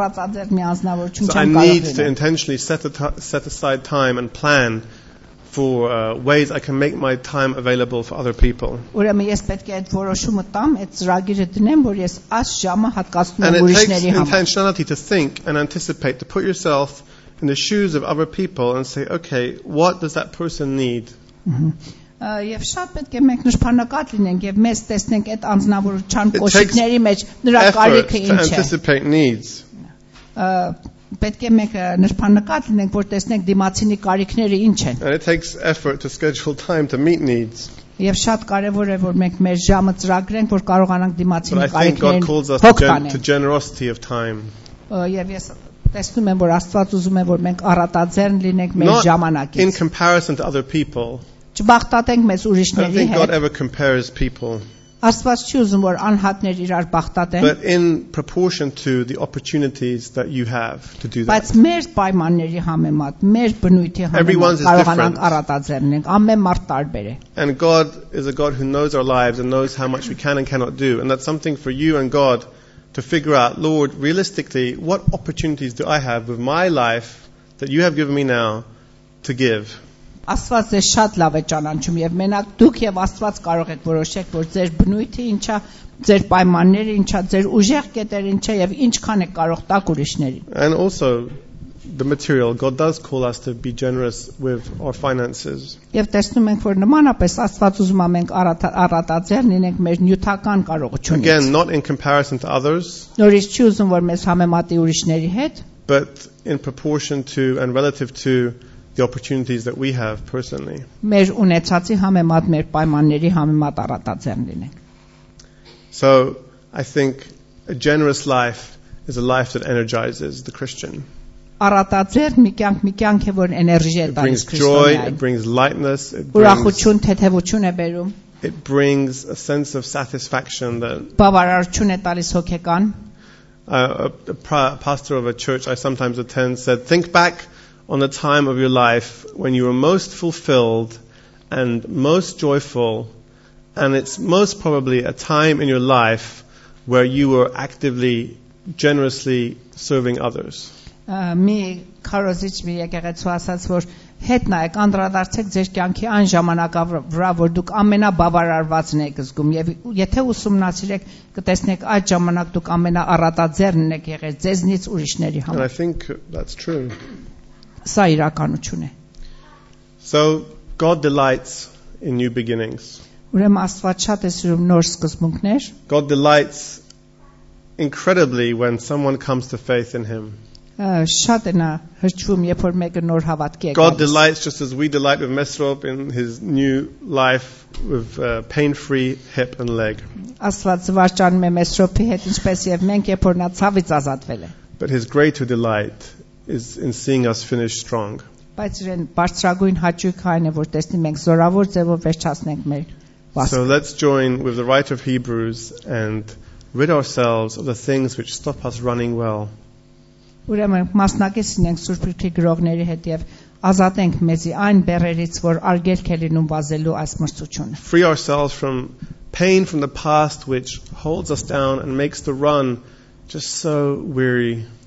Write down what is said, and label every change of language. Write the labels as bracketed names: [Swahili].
[English] I need to intentionally set aside time and plan for ways I can make my time available for other people. And it takes intentionality to think and anticipate, to put yourself in the shoes of other people and say, okay, what does that person need? [Armenian] Եվ շատ պետք է մենք նշանակատ լինենք եւ մեզ տեսնենք այդ անձնավորության կոչիկների մեջ նրա կարիքը ինչ է։ Պետք է մենք նշանակատ լինենք, որ տեսնենք դիմացինի կարիքները ինչ են։ [English] And it takes effort to schedule time to meet needs. [Armenian] Եվ շատ կարևոր է, որ մենք մեր ժամը ծրագրենք, որ կարողանանք դիմացինի կարիքներին հոգտանել։ Եվ ես տեսնում եմ, որ Աստված ուզում է, որ մենք առատաձեռն լինենք մեր ժամանակից։ [English] In comparison to other people. I don't think God ever compares people. But in proportion to the opportunities that you have to do that. Everyone's is different. And God is a God who knows our lives and knows how much we can and cannot do. And that's something for you and God to figure out, Lord, realistically, what opportunities do I have with my life that you have given me now to give? [Armenian] Աստված ձեզ շատ լավ է ճանաչում եւ մենակ դուք եւ Աստված կարող եք որոշեք, որ ձեր բնույթը ինչա, ձեր պայմանները ինչա, ձեր ուժեղ կետերը ինչա եւ ինչքան եք կարող տալ ուրիշներին։ [English] And also the material God does call us to be generous with our finances. [Armenian] Եվ տեսնում ենք, որ նմանապես Աստված ուզում է մենք առատաձեռն լինենք մեր նյութական կարողությունից։ [English] Again, not in comparison to others. [Armenian] Նորից ճիշտ որ մենք համեմատի ուրիշների հետ։ [English] But in proportion to and relative to the opportunities that we have personally. [Armenian] Մեր ունեցածի համեմատ մեր պայմանների համեմատ առատաձեռն լինենք. [English] So, I think a generous life is a life that energizes the Christian. [Armenian] Առատաձեռն մի կյանք է, որ էներգիա է տալիս քրիստոնեին. [English] It brings joy, it brings lightness, it brings [Armenian] ուրախություն, թեթևություն է բերում. [English] It brings a sense of satisfaction that [Armenian] բավարարություն է տալիս հոգեկան. [English] A pastor of a church I sometimes attend said, "Think back on the time of your life when you were most fulfilled and most joyful, and it's most probably a time in your life where you were actively, generously serving others." [Armenian] Մի քարոզիչ մի եկեղեցու ասաց, որ հետ նայեք, անդրադարձեք ձեր կյանքի այն ժամանակավրա, որ դուք ամենաբավարարվածն եք զգում, եւ եթե ուսումնասիրեք, կտեսնեք այդ ժամանակ դուք ամենաառատաձեռն եք եղել ձեզնից ուրիշների համար։ [English] And I think that's true. [Armenian] Սա իրականություն է. [English] So God delights in new beginnings. [Armenian] Ուրեմն Աստված շատ է սիրում նոր սկզբունքներ. [English] God delights incredibly when someone comes to faith in him. [Armenian] Շատ է նա հրճվում, երբ որ մեկը նոր հավատք է գալիս. [English] God delights just as we delight with Mesrop in his new life with pain-free hip and leg. [Armenian] Աստված վարճանում է Մեսրոպի հետ, ինչպես եւ մենք, երբ որ նա ցավից ազատվել է. [English] But his greater delight is in seeing us finish strong. [Armenian] Բայցրեն բարձրագույն հաճույքը այն է, որ տեսնի մենք զորավոր ձևով վերջացնենք մեր վաստակը. [English] So let's join with the writer of Hebrews and rid ourselves of the things which stop us running well. Free ourselves from pain from the past which holds us down and makes the run just so weary.